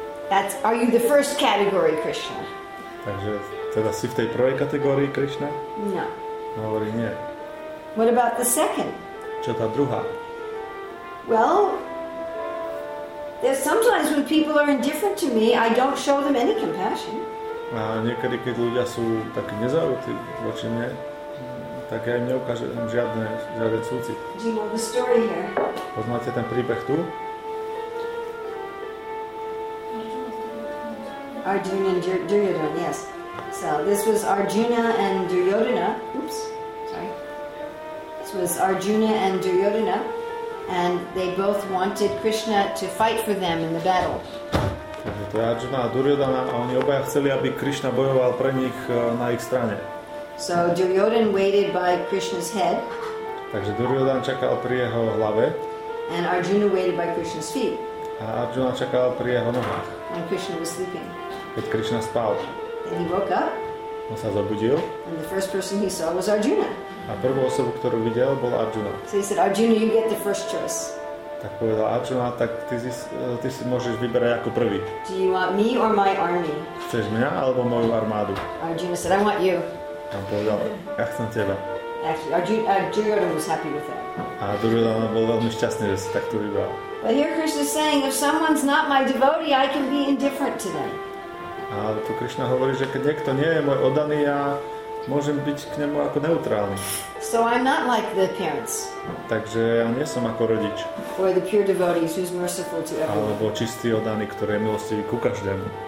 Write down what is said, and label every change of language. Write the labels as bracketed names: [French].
[English] That's, are you the first category, Krishna? [Slovak] Takže teda si v tej prvej kategórii, Krishna? [English] No. [Slovak] Hovorí nie. [English] What about the second? [Slovak] Čo tá druhá? [English] Well, there's sometimes when people are indifferent to me, I don't show them any compassion. [Slovak] A niekedy, keď ľudia sú takí nezaujatí voči mne, tak ja im neukážem žiadne súcit. [English] Do you know the story here? [Slovak] Poznáte ten príbeh tu? [English] Arjuna and Duryodhana, yes. So this was Arjuna and Duryodhana. Oops, sorry. This was Arjuna and Duryodhana, and they both wanted Krishna to fight for them in the battle. [Slovak] Takže to je Arjuna a Duryodhana, a oni obaja chceli, aby Krishna bojoval pre nich na ich strane. [English] So Duryodhana waited by Krishna's head. [Slovak] Takže Duryodhana čakal pri jeho hlave. [English] And Arjuna waited by Krishna's feet. [Slovak] A Arjuna čakal pri jeho nohách. [English] And Krishna was sleeping. [Slovak] Keď Krishna spal. [English] And he woke up. [Slovak] On sa zobudil. [English] And the first person he saw was Arjuna. [Slovak] A prvú osobu, ktorú videl, bol Arjuna. [English] So he said, Arjuna, you get the first choice. [Slovak] Tak povedal Arjuna, tak ty si môžeš vyberať ako prvý. [English] Do you want me or my army? [Slovak] Chceš mňa alebo moju armádu? [English] Arjuna said, I want you. [Slovak] On povedal, ja chcem teba. [English] Duryodhana was happy with that. [Slovak] A Duryodhana bol veľmi šťastný, že si takto vybral. [English] But here Krishna is saying, if someone's not my devotee, I can be indifferent to them. [Slovak] A tu Krishna hovorí, že keď niekto nie je môj oddaný, ja môžem byť k nemu ako neutrálny. [English] So I'm not like the parents. [Slovak] Takže ja nie som ako rodič. [English] Or the pure devotees who's merciful to everyone. [Slovak] Alebo čistý oddaný, ktorý je milostivý ku každému.